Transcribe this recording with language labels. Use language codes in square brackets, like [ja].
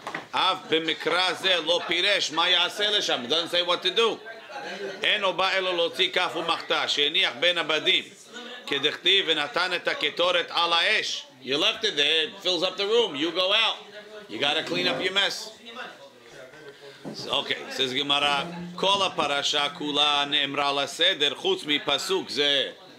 [he] אף במקרא זה לא פירש מה יעשה לשם. He doesn't say what to do. אין הוא בא אלו להוציא כף ומחתה שהניח בין הבדים כדכתיב ונתן את הקטורת על האש. [en] You left it there, it fills up the room. You go out. You gotta clean up your mess. [he] אוקיי, סז גמרא, כל הפרשה כולה נאמרה לסדר, חוץ מפסוק זה.